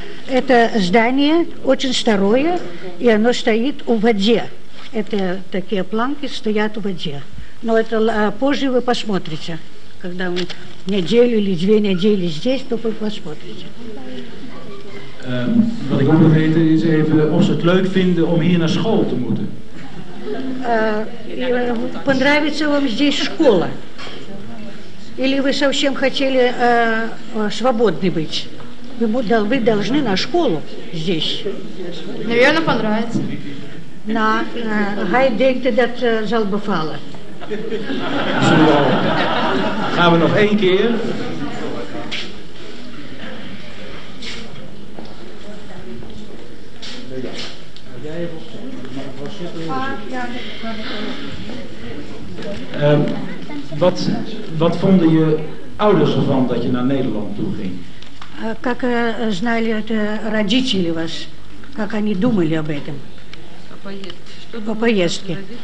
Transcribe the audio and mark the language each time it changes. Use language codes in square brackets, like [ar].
[ru] Это здание очень старое, и оно стоит у воде. Это такие планки стоят у воде. Но это позже вы посмотрите. Когда вы неделю или две недели здесь, то вы посмотрите. [nl] Wat ik ook nog weten is even of ze het leuk vinden om hier naar school te moeten. [ru] Понравится вам здесь школа? Или вы совсем хотели свободны быть? Вы должны на школу здесь. Наверное, понравится. [nl] На hij denkt dat zal bevallen. Zo. Gaan we nog één keer? Wat vonden je ouders ervan dat je naar Nederland toe ging? [ru] Как знали это родители вас? Как они думали об этом? По поездке.